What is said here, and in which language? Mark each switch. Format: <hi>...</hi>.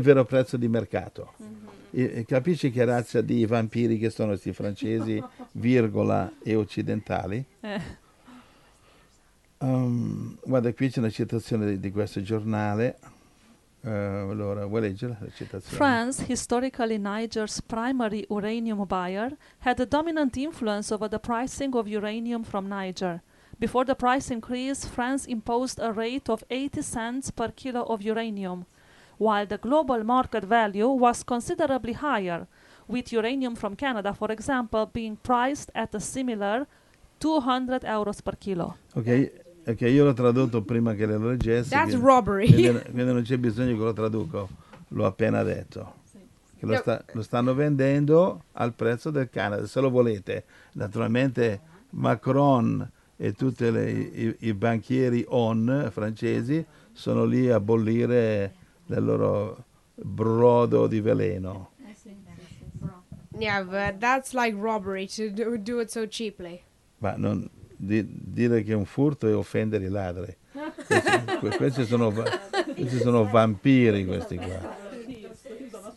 <it>vero prezzo di mercato. E capisci che razza di vampiri che sono questi francesi, virgola, e occidentali? Guarda, qui c'è una citazione di questo giornale. Allora, vuoi leggere la citazione?</it> <en>France, historically Niger's primary uranium buyer, had a dominant influence over the pricing of uranium from Niger. Before the price increase, France imposed a rate of 80 cents per kilo of uranium, while the global market value was considerably higher, with uranium from Canada, for example, being priced at a similar 200 euros per kilo.</en> <it>Ok, io l'ho tradotto prima che le lo leggessi,</it> <en>That's</en> <it>quindi</it> <en>robbery.</en> <it>non c'è bisogno che lo traduco, l'ho appena detto. Che No. lo stanno vendendo al prezzo del Canada, se lo volete. Naturalmente Macron e tutti i banchieri on francesi sono lì a bollire nel loro brodo di veleno.</it> <en>Yeah, but that's like robbery to do it so cheaply.</en> <it>Ma non. Dire che è un furto è offendere i ladri. Questi sono vampiri, questi qua.</it>